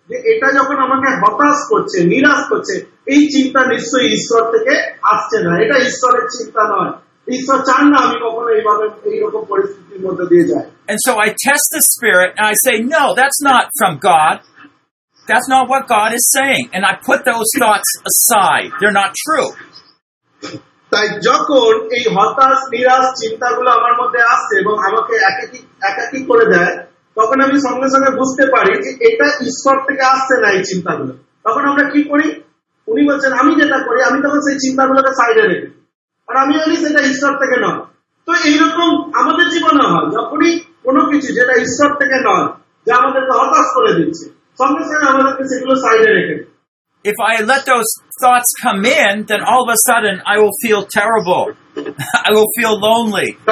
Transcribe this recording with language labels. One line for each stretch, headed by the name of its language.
Bangla: এটা যখন আমাকে হতাশ করছে নিরাশ করছে এই চিন্তা নিশ্চয়ই ঈশ্বর থেকে আসছে না এটা ঈশ্বরের চিন্তা নয় ঈশ্বর চান না আমি কখনো এইভাবে এইরকম পরিস্থিতির মধ্যে দিয়ে যাই
English: And so I test the spirit and I say, no, that's not from God. That's not what God is saying. And I put those thoughts aside. They're not true.
Bangla: তাই যখন এই হতাশ নিরাশ চিন্তাগুলো আমার মধ্যে আসছে এবং আমাকে একাকী করে দেয় তখন আমি সঙ্গে সঙ্গে বুঝতে পারি যে এটা ঈশ্বর থেকে আসছে না এই চিন্তাগুলো তখন আমরা কি করি উনি বলছেন আমি যেটা করি আমি তখন সেই চিন্তাগুলোকে সাইডে রেখে আর আমি জানি সেটা ঈশ্বর থেকে নয় তো এইরকম আমাদের জীবনে হয় যখনই কোনো কিছু যেটা ঈশ্বর থেকে নয় যা আমাদেরকে হতাশ করে দিচ্ছে সঙ্গে সঙ্গে আমাদেরকে সেগুলো সাইডে রেখে
English: If I let those thoughts come in, then all of a sudden I will feel terrible. I will feel lonely.